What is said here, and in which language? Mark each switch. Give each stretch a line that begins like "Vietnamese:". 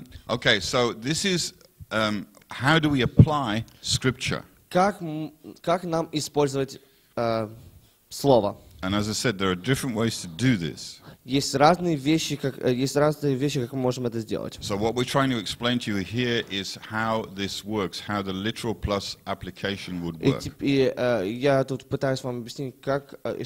English: Okay, so this is how do we apply scripture?
Russian: Как нам использовать слово?
English: And as I said, there are different ways to do this.
Russian: Есть разные вещи, как мы можем это сделать.
English: So what we're trying to explain to you here is how this works, how the literal plus application would work.
Russian: Я тут пытаюсь вам объяснить, как